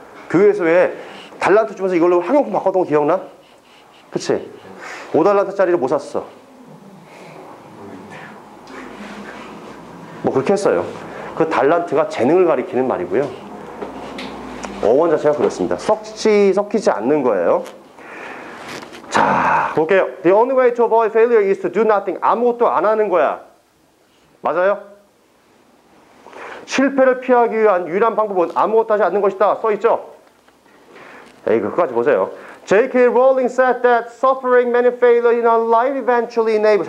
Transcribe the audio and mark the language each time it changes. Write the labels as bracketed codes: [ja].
[ko] 교회에서 왜 달란트 주면서 이걸로 학용품 바꿨던 거 기억나? 그치? 5달란트짜리를 뭐 샀어? 뭐 그렇게 했어요. 그 달란트가 재능을 가리키는 말이고요. 어원 자체가 그렇습니다. 섞이지 않는 거예요. 자, 볼게요. [en] The only way to avoid failure is to do nothing. [ko] 아무것도 안 하는 거야. 맞아요? 실패를 피하기 위한 유일한 방법은 아무것도 하지 않는 것이다. 써 있죠? 에이, 그것까지 보세요. J.K. [en] Rowling said that suffering many failures in our life eventually enable.